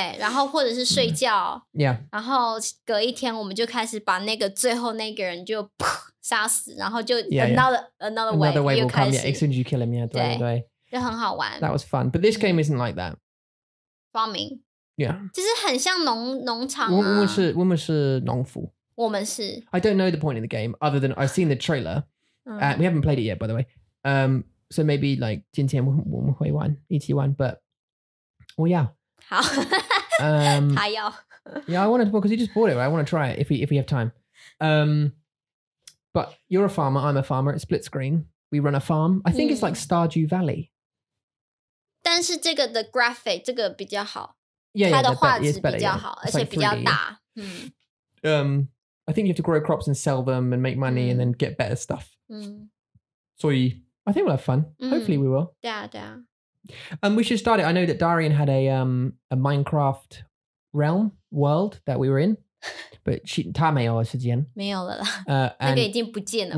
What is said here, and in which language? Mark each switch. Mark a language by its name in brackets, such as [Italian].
[Chinese] 然后或者是睡觉然后隔一天我们就开始把那个最后那个人就杀死然后就 [English] another wave will come as soon as you kill him [Chinese] 就很好玩 [English] That was fun But this game isn't like that Farming Yeah [Chinese] 就是很像农场啊我们是农夫我们是 [English] I don't know the point in the game other than I've seen the trailer We haven't played it yet by the way So maybe like [Chinese] 今天我们会玩一起玩 [English] But Well yeah [Chinese] 好他要 [English] Yeah I want to Because he just bought it right? I want to try it if we have time But you're a farmer, I'm a farmer, it's split screen. We run a farm. I think it's like Stardew Valley. [Chinese] 但是这个的 graphic, 这个比较好。它的画质比较好,而且比较大。 [English] I think you have to grow crops and sell them and make money and then get better stuff. [Chinese] 所以, [English] so I think we'll have fun. Hopefully we will. [Chinese] 对啊,对啊。 [English] We should start it. I know that Darian had a Minecraft realm, world that we were in. But she, [Chinese] 她没有了时间，没有了啦。那个已经不见了。